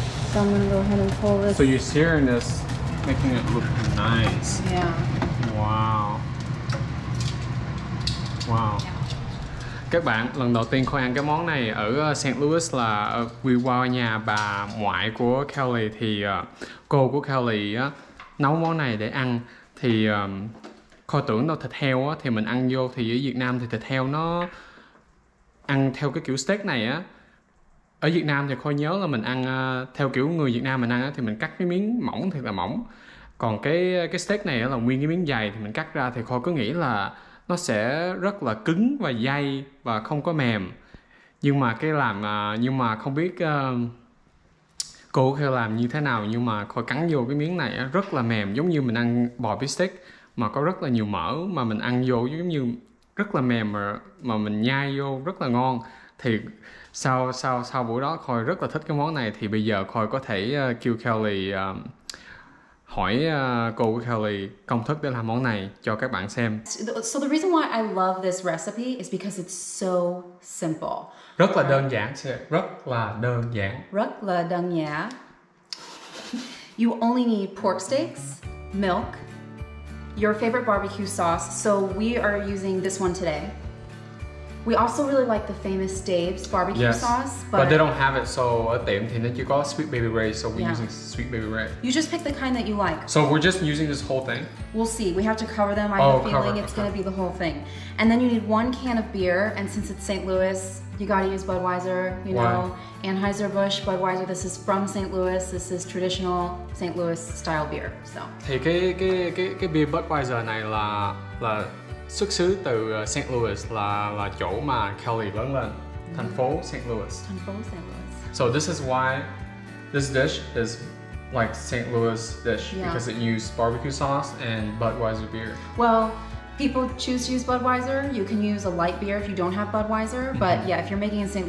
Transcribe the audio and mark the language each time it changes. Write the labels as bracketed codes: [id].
[en] So I'm gonna go ahead and pull this. So you're searing this, making it look nice. Yeah. Wow. Wow. Yeah. [vi] Các bạn, lần đầu tiên Koi ăn cái món này ở St. Louis là we qua nhà bà ngoại của Kelly, thì cô của Kelly nấu món này để ăn. Thì Koi tưởng đâu thịt heo á, thì mình ăn vô, thì ở Việt Nam thì thịt heo nó ăn theo cái kiểu steak này á. Ở Việt Nam thì Koi nhớ là mình ăn theo kiểu người Việt Nam mình ăn á, thì mình cắt cái miếng mỏng thiệt là mỏng. Còn cái steak này á, là nguyên cái miếng dày, thì mình cắt ra thì Koi cứ nghĩ là nó sẽ rất là cứng và dai và không có mềm. Nhưng mà cái làm nhưng mà không biết cô Koi làm như thế nào, nhưng mà Koi cắn vô cái miếng này á, rất là mềm, giống như mình ăn bò bít steak mà có rất là nhiều mỡ, mà mình ăn vô giống như rất là mềm mà mình nhai vô rất là ngon. Thì sau buổi đó Koi rất là thích cái món này. Thì bây giờ Koi có thể kêu Kelly hỏi cô Kelly công thức để làm món này cho các bạn xem. [en] So the reason why I love this recipe is because it's so simple. [vi] Rất là đơn giản, rất là đơn giản. Rất là đơn giản. [en] You only need pork steaks, milk, your favorite barbecue sauce. So we are using this one today. We also really like the famous Dave's barbecue sauce, but they don't have it, so at [vi] tiệm thì nó chỉ có [en] Sweet Baby Ray, so we're using Sweet Baby Ray. You just pick the kind that you like. So we're just using this whole thing? We'll see. We have to cover them. I have a feeling it's going to be the whole thing. And then you need one can of beer, and since it's St. Louis, you got to use Budweiser, you know. Anheuser-Busch, Budweiser, this is from St. Louis. This is traditional St. Louis style beer, so. [vi] Thì cái beer Budweiser này là xuất xứ từ St. Louis, là chỗ mà Kelly lớn lên, thành phố St. Louis. Thành phố St. Louis. [en] So this is why this dish is like St. Louis dish, because it used barbecue sauce and Budweiser beer. Well, people choose to use Budweiser. You can use a light beer if you don't have Budweiser, but yeah, if you're making it in St.